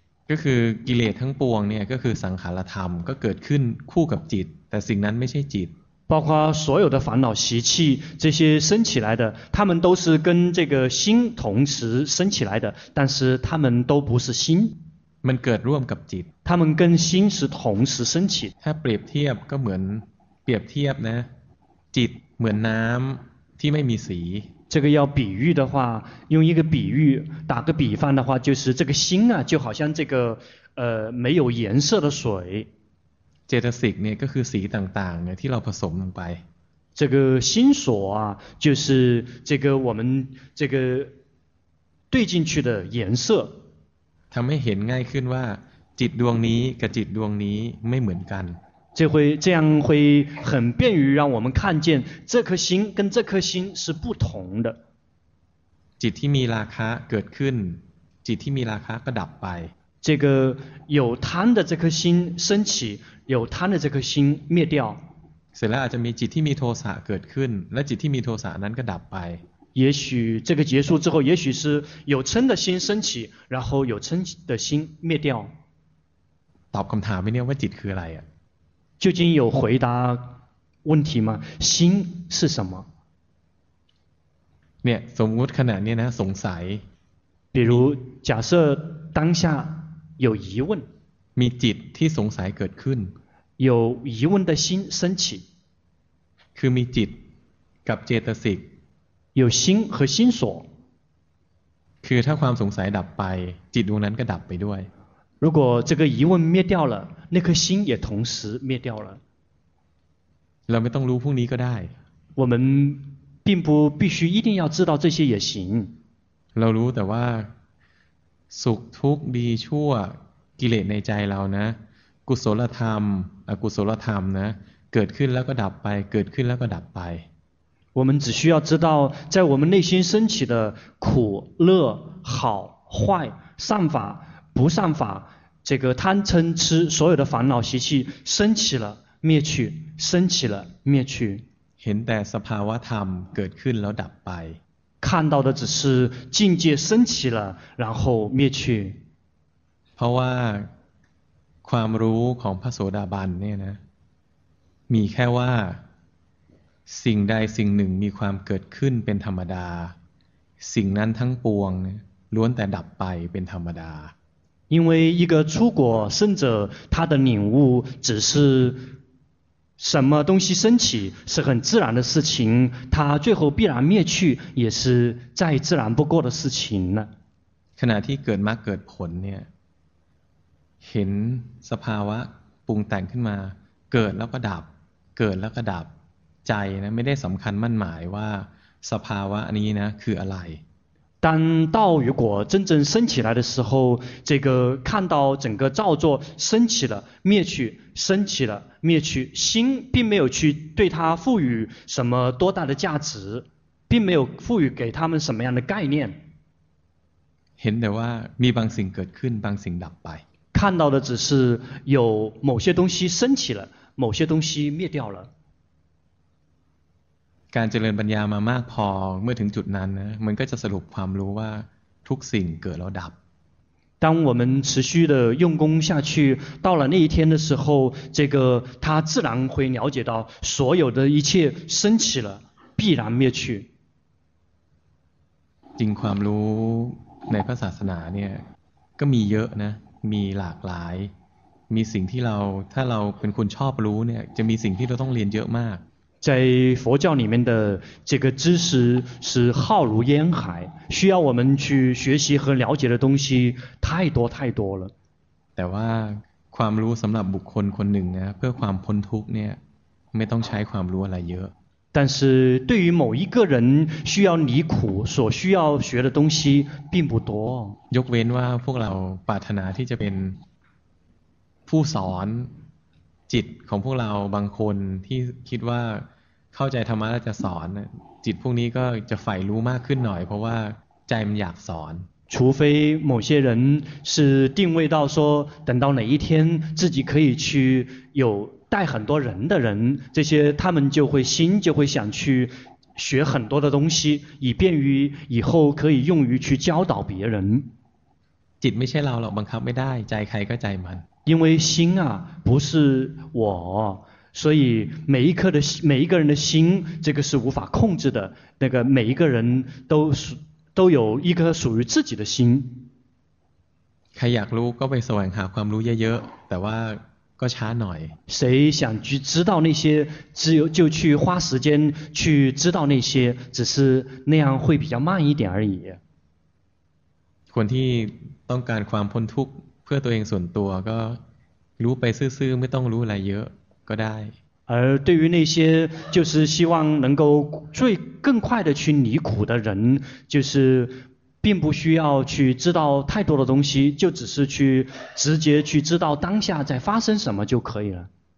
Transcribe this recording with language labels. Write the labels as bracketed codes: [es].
[th] ก็คือกิเลสทั้งปวงเนี่ยก็คือสังขารธรรมก็เกิดขึ้นคู่กับจิตแต่สิ่งนั้นไม่ใช่จิต [zh] 包括所有的烦恼习气这些升起来的他们都是跟这个心同时升起来的但是他们都不是心 [th] มันเกิดร่วมกับจิต [zh] 他们跟心是同时升起 [th] ถ้าเปรียบเทียบก็เหมือนเปรียบเทียบนะจิตเหมือนน้ำที่ไม่มีสี [zh] 这个要比喻的话用一个比喻打个比方的话就是这个心啊就好像这个没有颜色的水 [th] เจตสิกเนี่ยก็คือสีต่างๆเนี่ยที่เราผสมลงไป [zh] 这个心所啊就是这个我们这个对进去的颜色 [th] ทำให้เห็นง่ายขึ้นว่าจิตดวงนี้กับจิตดวงนี้ไม่เหมือนกัน [zh] 这样会很便于让我们看见这颗心跟这颗心是不同的。 [th] จิตที่มีราคะเกิดขึ้นจิตที่มีราคะก็ดับไป [zh] 这个有贪的这颗心升起有贪的这颗心灭掉 [th] เสร็จแล้วอาจจะมีจิตที่มีโทสะเกิดขึ้นและจิตที่มีโทสะนั้นก็ดับไป [zh] 也许这个结束之后也许是有嗔的心升起然后有嗔的心灭掉 [th] ตอบคำถามไม่เนี่ยว่าจิตคืออะไรอ่ะ [zh] 究竟有回答问题吗心是什么 [th] เนี่ยสมมติขณะนี้นะสงสัย [zh] 比如假设当下有疑问 [th] มีจิตที่สงสัยเกิดขึ้น [zh] 有疑问的心升起 [th] คือมีจิตกับเจตสิก [zh] 有心和心所 [th] คือถ้าความสงสัยดับไปจิตดวงนั้นก็ดับไปด้วย [zh] 如果这个疑问灭掉了那颗心也同时灭掉了 [th] เราไม่ต้องรู้พรุ่งนี้ก็ได้ [zh] 我们并不必须一定要知道这些也行 [th] เรารู้แต่ว่าสุขทุกข์ดีชั่วกิเลสในใจเรานะกุศลธรรมอกุศลธรรมนะเกิดขึ้นแล้วก็ดับไปเกิดขึ้นแล้วก็ดับไป [zh] 我们只需要知道在我们内心升起的苦乐好坏善法不善法这个贪嗔痴所有的烦恼习气升起了灭去升起了灭去 [th] เห็นแต่สภาวะธรรมเกิดขึ้นแล้วดับไป [zh] 看到的只是境界升起了然后灭去 [th] เพราะว่าความรู้ของพระโสดาบันเนี่ยนะมีแค่ว่าสิ่งใดสิ่งหนึ่งมีความเกิดขึ้นเป็นธรรมดาสิ่งนั้นทั้งปวงล้วนแต่ดับไปเป็นธรรมดา [zh] 因为一个出果圣者他的领悟只是什么东西升起是很自然的事情它最后必然灭去也是再自然不过的事情 [th] ขณะที่เกิดมรรคเกิดผลเนี่ยเห็นสภาวะปรุงแต่งขึ้นมาเกิดแล้วก็ดับเกิดแล้วก็ดับใจนะไม่ได้สำคัญมั่นหมายว่าสภาวะนี้นะคืออะไร [zh] 但道如果真正升起来的时候这个看到整个造作升起了灭去升起了灭去心并没有去对它赋予什么多大的价值并没有赋予给他们什么样的概念 [th] เห็นแต่ว่ามีบางสิ่งเกิดขึ้นบางสิ่งดับไป [zh] 看到的只是有某些东西升起了某些东西灭掉了 [th] การเจริญปัญญามามากพอเมื่อถึงจุดนั้นนะมันก็จะสรุปความรู้ว่าทุกสิ่งเกิดแล้วดับ [zh] 当我们持续的用功下去到了那一天的时候这个他自然会了解到所有的一切升起了必然灭去 [th] จริงความรู้ในพระศาสนาเนี่ยก็มีเยอะนะมีหลากหลายมีสิ่งที่เราถ้าเราเป็นคนชอบรู้เนี่ยจะมีสิ่งที่เราต้องเรียนเยอะมาก [zh] 在佛教里面的这个知识是浩如烟海需要我们去学习和了解的东西太多太多了 [th] แต่ว่าความรู้สำหรับบุคคลคนหนึ่งนะเพื่อความพ้นทุกข์เนี่ยไม่ต้องใช้ความรู้อะไรเยอะ [zh] 但是对于某一个人需要离苦所需要学的东西并不多 [th] ยกเว้นว่าพวกเราปรารถนาที่จะเป็นผู้สอนจิตของพวกเราบางคนที่คิดว่าเข้าใจธรรมะแล้วจะสอนจิตพวกนี้ก็จะใฝ่รู้มากขึ้นหน่อยเพราะว่าใจมันอยากสอน [zh] 除非某些人是定位到说等到哪一天自己可以去有带很多人的人这些他们就会心就会想去学很多的东西以便于以后可以用于去教导别人 [th] จิตไม่ใช่เราหรอกบังคับไม่ได้ใจใครก็ใจมัน [zh] 因为心啊不是我所以每一颗的每一个人的心这个是无法控制的那个每一个人都有一颗属于自己的心 [th] ใครอยากรู้ก็ไปแสวงหาความรู้เยอะๆแต่ว่าก็ช้าหน่อย [zh] 谁想去知道那些只有就去花时间去知道那些只是那样会比较慢一点而已 [th] คนที่ต้องการความพ้นทุกข์เพื่อตัวเองส่วนตัวก็รู้ไปซื่อๆไม่ต้องรู้อะไรเยอะก็ได้ [zh] 而对于那些就是希望能够最更快的去离苦的人就是并不需要去知道太多的东西就只是去直接去知道当下在发生什么就可以了